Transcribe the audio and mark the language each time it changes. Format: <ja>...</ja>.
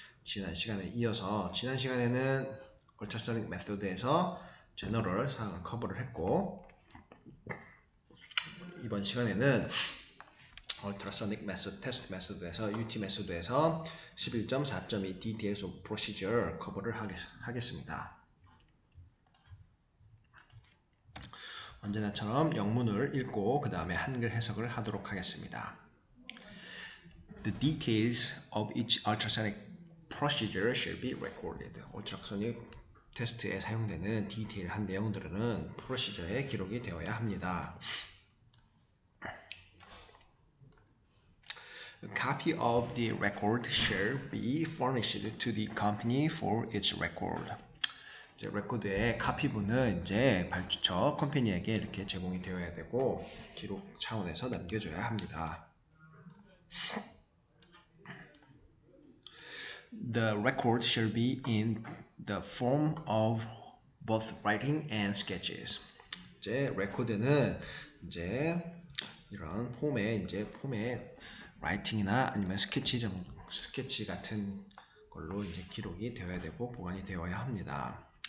<ko>지난 시간에 이어서 지난 시간에는 Ultrasonic Method에서 General 사항을 커버를 했고 이번 시간에는 Ultrasonic Method, Test Method에서, UT Method에서 11.4.2 Details of Procedure 커버를 하겠습니다. 언제나처럼 영문을 읽고 그 다음에 한글 해석을 하도록 하겠습니다.</ko> <en>The details of each ultrasonic procedure shall be recorded.</en> <ko>Ultrasonic 테스트에 사용되는 디테일한 내용들은 프로시저에 기록이 되어야 합니다.</ko> <en>A copy of the record shall be furnished to the company for its record.</en> <ko>이제 레코드의 카피 분은 이제 발주처 컴퍼니에게 이렇게 제공이 되어야 되고 기록 차원에서 남겨줘야 합니다.</ko> <en>The record shall be in the form of both writing and sketches.</en> <ko>이제 레코드는 이제 이런 폼에 라이팅이나 아니면 스케치 같은 걸로 이제 기록이 되어야 되고 보관이 되어야 합니다.</ko>